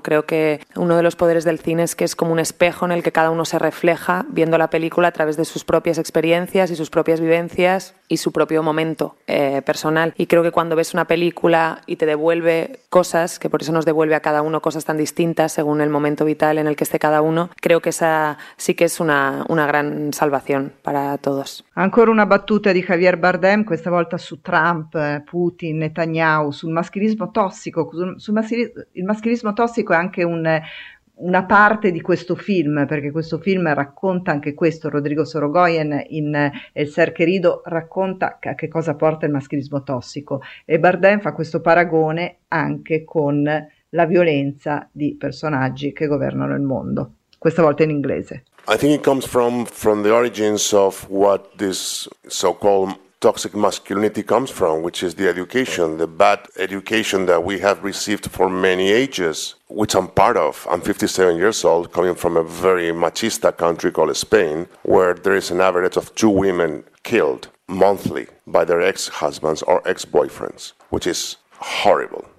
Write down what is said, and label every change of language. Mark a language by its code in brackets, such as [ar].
[es] Creo que uno de los poderes del cine es que es como un espejo en el que cada uno se refleja viendo la película a través de sus propias experiencias y sus propias vivencias y su propio momento personal. Y creo que cuando ves una película y te devuelve cosas, que por eso nos devuelve a cada uno cosas tan distintas según el momento vital en el que esté cada uno, creo que esa sí que es una gran salvación para todos. [it] Ancora una battuta di Javier Bardem, questa volta su Trump, Putin, Netanyahu, sul maschilismo tossico. Il maschilismo tossico è anche una parte di questo film, perché questo film racconta anche questo. Rodrigo Sorogoyen in El Ser Querido racconta a che cosa porta il maschilismo tossico, e Bardem fa questo paragone anche con la violenza di personaggi che governano il mondo, questa volta in inglese. [en] I think it comes from the origins of what this so-called toxic masculinity comes from, which is the education, the bad education that we have received for many ages, which I'm part of. I'm 57 years old, coming from a very machista country called Spain, where there is an average of 2 women killed monthly by their ex-husbands or ex-boyfriends, which is horrible.